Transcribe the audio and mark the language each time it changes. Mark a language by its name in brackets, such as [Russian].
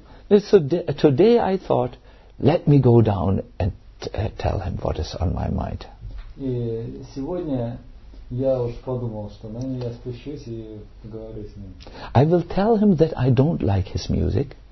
[English] So today I thought, let me go down and tell him what is on my mind. [Russian] И сегодня я уж подумал, что, наверное, я спущусь и поговорю с ним. [English] I will tell him that I don't like his music.